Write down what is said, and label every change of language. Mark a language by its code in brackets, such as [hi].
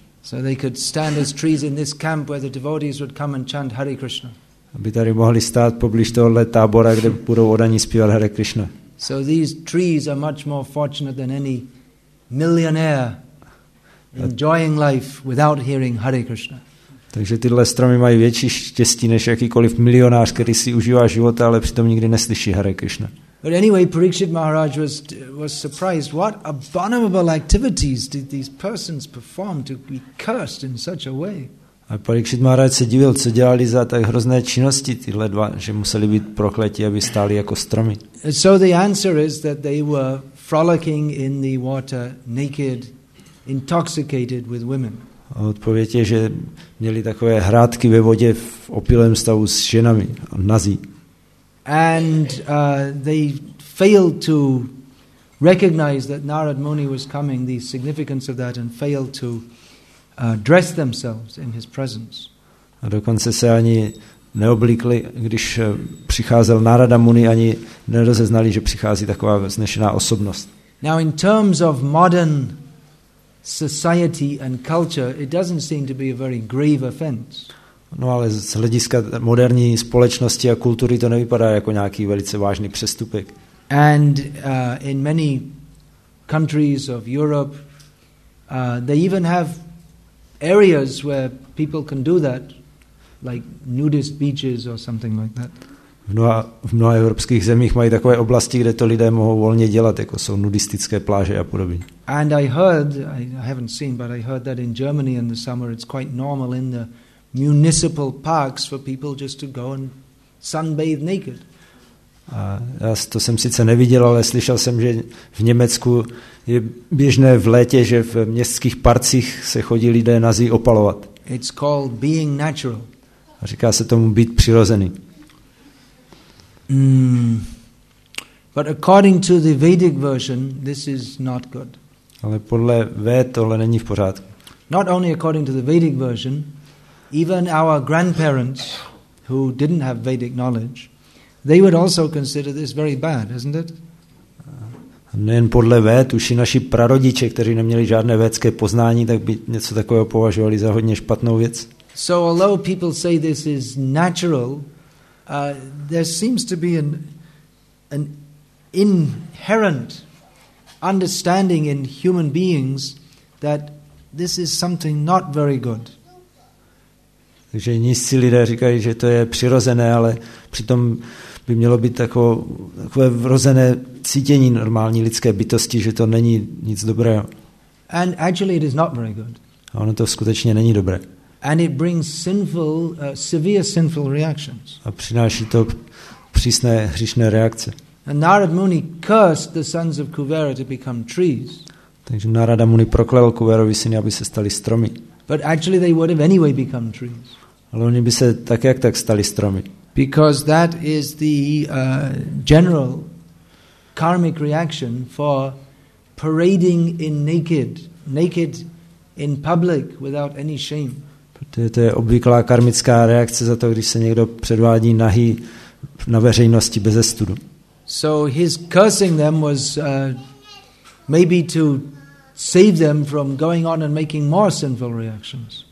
[en] So they could stand as trees in this camp where the devotees would come and chant Hare Krishna. [cs] Aby tady mohli stát poblíž tohohle tábora, kde budou odaní zpívat Hare Krishna. [en] So these trees are much more fortunate than any millionaire enjoying life without hearing Hare Krishna. [cs] Takže tyhle stromy mají větší štěstí než jakýkoliv milionář, který si užívá života, ale přitom nikdy neslyší Hare Krishna. [en] But anyway, Parikshit Maharaj was surprised. What abominable activities did these persons perform to be cursed in such a way? [cs] A Parikshit Maharaj se divil, co dělali za tak hrozné činnosti tyhle dva, že museli být prokletí, aby stáli jako stromy. [en] So the answer is that they were frolicking in the water naked, intoxicated with women. [cs] A odpověď je, že měli takové hrátky ve vodě v opilém stavu s ženami, nazí. [en] And they failed to recognize that Narad Muni was coming, the significance of that, and failed to dress themselves in his presence. [cs] A dokonce se ani neoblíkli, když přicházel Narada Muni, ani nerozeznali, že přichází taková vznešená osobnost. [en] Now in terms of modern society and culture, it doesn't seem to be a very grave offense. [cs] No ale z hlediska moderní společnosti a kultury to nevypadá jako nějaký velice vážný přestupek. [en] And in many countries of Europe, they even have areas where people can do that, like nudist beaches or something like that. [cs] V mnoha evropských zemích mají takové oblasti, kde to lidé mohou volně dělat, jako jsou nudistické pláže a podobně. [en] And I heard, I haven't seen, but I heard that in Germany in the summer it's quite normal in the municipal parks for people just to go and sunbathe naked. [cs] A já to jsem sice neviděl, ale slyšel jsem, že v Německu je běžné v létě, že v městských parcích se chodí lidé nazí opalovat. [en] It's called being natural. [cs] A říká se tomu být přirozený. [en] But according to the Vedic version, this is not good. [cs] Ale podle Véd tohle není v pořádku. [en] Not only according to the Vedic version, even our grandparents who didn't have Vedic knowledge, they would also consider this very bad, isn't it? [cs] Nejen podle Véd, už i naši prarodiče, kteří neměli žádné védské poznání, tak by něco takového považovali za hodně špatnou věc. [en] So although people say this is natural, there seems to be an inherent understanding in human beings that this is something not very good. [cs] Takže nízcí lidé říkají, že to je přirozené, ale přitom by mělo být takové vrozené cítění normální lidské bytosti, že to není nic dobrého. [en] And actually it is not very good. [cs] A ono to skutečně není dobré. [en] And it brings sinful, severe sinful reactions. [cs] A přináší to přísné hříšné reakce. [en] And Narad Muni cursed the sons of Kuvera to become trees. [cs] Takže Narada Muni proklel Kuverovi syny, aby se stali stromy. [en] But actually they would have anyway become trees. [cs] Ale oni by se tak jak tak stali stromy. [en] Because that is the general karmic reaction for parading in naked in public without any shame. [cs] Protože to je obvyklá karmická reakce za to, když se někdo předvádí nahý na veřejnosti bez studu. [en] So his cursing them was maybe to save them from going on and making more sinful reactions.